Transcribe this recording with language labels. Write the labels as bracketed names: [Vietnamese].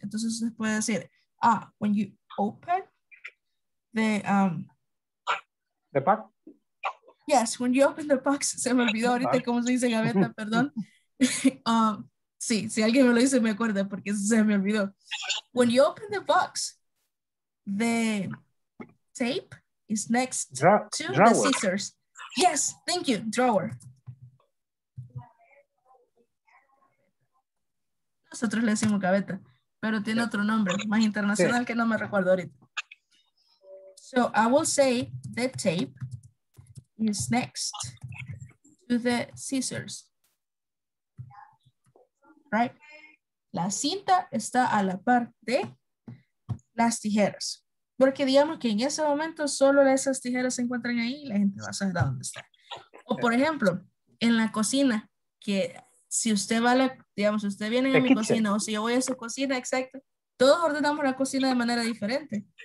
[Spanish] Entonces usted puede decir, ah, [English] when you open the... The box? Yes, when you open the box. [Spanish] Se me olvidó ahorita cómo se dice gaveta, perdón. Sí, si alguien me lo dice me acuerda porque se me olvidó. [English] When you open the box, the tape is next to drawer. The scissors. Yes, thank you, drawer. [Spanish] Nosotros le decimos gaveta, pero tiene otro nombre más internacional que no me recuerdo ahorita. [English] So I will say the tape is next to the scissors. Right? [Spanish] La cinta está a la par de las tijeras. Porque digamos que en ese momento solo esas tijeras se encuentran ahí y la gente va a saber dónde está. O por ejemplo, en la cocina, que si usted va a la, digamos, si usted viene a mi cocina o si yo voy a su cocina, exacto, todos ordenamos la cocina de manera diferente.